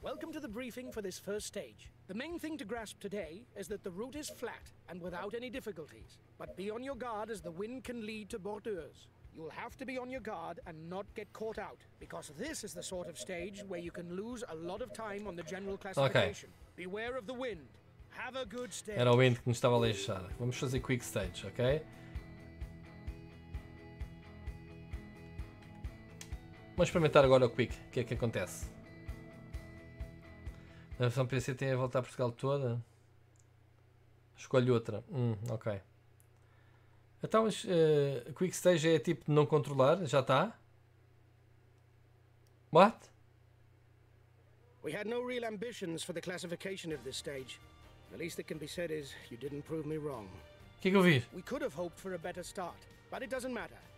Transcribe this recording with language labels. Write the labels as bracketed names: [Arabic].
[English] Welcome to the briefing for this first stage. The main thing to grasp today is that the route is flat and without any difficulties. But be on your guard as the wind can lead to bordures. You'll have to be on your guard and not get caught out, because this is the sort of stage where you can lose a lot of time on the general classification. Okay. Beware of the wind. Have a good stage. [Portuguese] Era o wind que me estava a lixar. Vamos fazer quick stage, ok? Vamos experimentar agora o quick. O que é que acontece? A versão PC tem a volta a Portugal toda. Escolho outra. Ok. Então, Quick Stage é tipo de não controlar. Já está. [English] What? We had no real ambitions for the classification of this stage. The least that can be said is you didn't prove me wrong. [Portuguese] Que eu vi? [English] We could have hoped for a better start, but it doesn't matter.